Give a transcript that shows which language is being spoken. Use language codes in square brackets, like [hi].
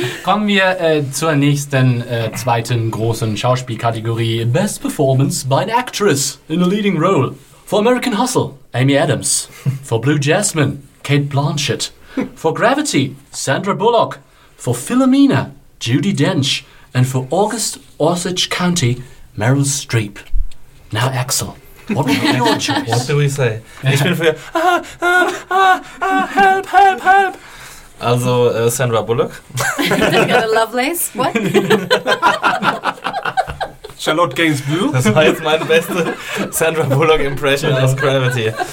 [de] kommen wir zur nächsten zweiten großen Schauspielkategorie. [en] Best Performance by an Actress in a Leading Role. For American Hustle, Amy Adams. For Blue Jasmine, Kate Blanchett. For Gravity, Sandra Bullock. For Philomena, Judi Dench. And for August Osage County, Meryl Streep. Now Axel. What do we say? [de] Ich bin für [en] help, help, help. [de] Also Sandra Bullock. [en] Lovelace, what? Charlotte Gainsbourg. [de] Das war jetzt meine beste Sandra Bullock Impression aus Gravity.